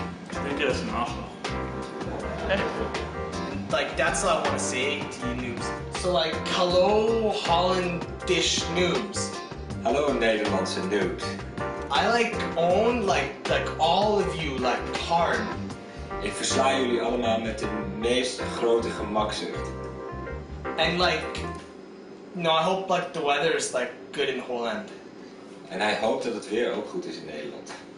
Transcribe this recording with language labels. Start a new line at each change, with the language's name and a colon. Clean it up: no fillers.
German: Ich denke, das ist ein Arschloch.
English: Like that's all I want to say to you noobs. So like hello Hollandish noobs. Hello Nederlandse noobs. I like own like all of you like hard.
Dutch: Ik versla jullie allemaal met de meest grote gemakzucht.
English: And like, no, I hope like the weather is like good in Holland. And I hope
Dutch: dat het weer ook goed is in Nederland.